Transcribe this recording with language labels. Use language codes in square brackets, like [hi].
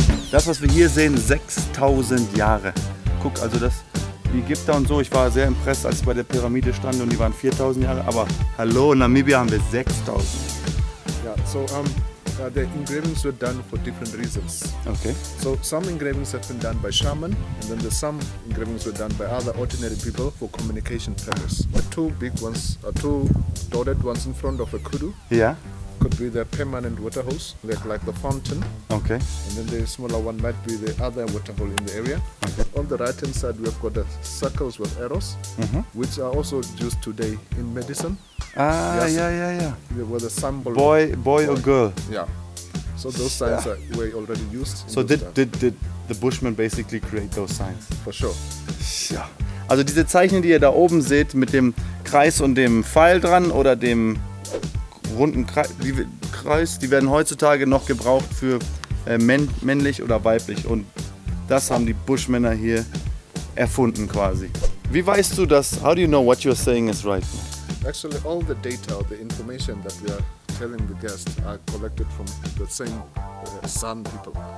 [de] Das, was wir hier sehen, 6000 Jahre. Guck, also das, die Ägypter und so, ich war sehr impressed, als ich bei der Pyramide stand und die waren 4000 Jahre. Aber hallo, in Namibia haben wir 6000. [en] Ja, yeah, so, the engravings were done for different reasons. Okay. So, some engravings have been done by shaman and then some engravings were done by other ordinary people for communication purposes. The two big ones, two dotted ones in front of a kudu. Ja. Yeah. Could be the permanent water hose, like the fountain. Okay. And then the smaller one might be the other water hole in the area. Okay. On the right hand side, we've got the circles with arrows, mm-hmm. which are also used today in medicine. Yeah. They were the symbol. Boy or girl. Yeah. So those signs were already used. So did the Bushmen basically create those signs? For sure. Yeah. [de] Also diese Zeichen, die ihr da oben seht, mit dem Kreis und dem Pfeil dran oder dem runden Kreis, die werden heutzutage noch gebraucht für männlich oder weiblich und das haben die Bushmänner hier erfunden quasi. Wie weißt du das? [en] How do you know what you're saying is right? Actually, all the data, the information that we are telling the guests are collected from the same Sun people.